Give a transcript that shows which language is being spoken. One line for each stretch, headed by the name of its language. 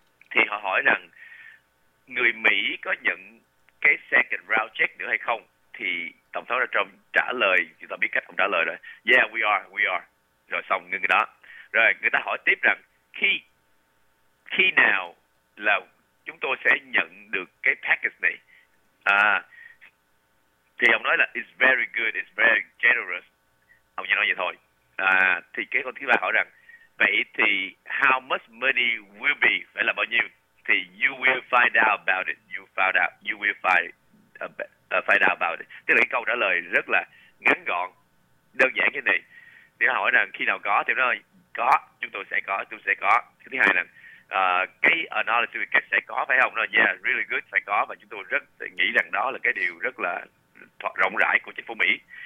Vietnamese: Thì họ hỏi rằng người Mỹ có nhận cái second round check nữa hay không. Thì Tổng thống Donald Trump trả lời, chúng ta biết cách ông trả lời rồi,
English: yeah we are,
Vietnamese: rồi xong ngưng cái đó. Rồi người ta hỏi tiếp rằng khi nào là chúng tôi sẽ nhận được cái package này? À, thì ông nói là
English: it's very good, it's very generous.
Vietnamese: Ông chỉ nói vậy thôi. À, thì cái câu thứ ba hỏi rằng vậy thì
English: how much money will be,
Vietnamese: phải là bao nhiêu? Thì
English: you will find out about it. You found out. You will find out about it.
Vietnamese: Tức là cái câu trả lời rất là ngắn gọn, đơn giản như này. Thì nó hỏi rằng khi nào có, thì nó nói có, chúng tôi sẽ có, chúng sẽ có. Thứ hai là cái analysis sẽ có phải không? Nó
English: yeah, really good,
Vietnamese: phải có. Và chúng tôi rất nghĩ rằng đó là cái điều rất là rộng rãi của chính phủ Mỹ.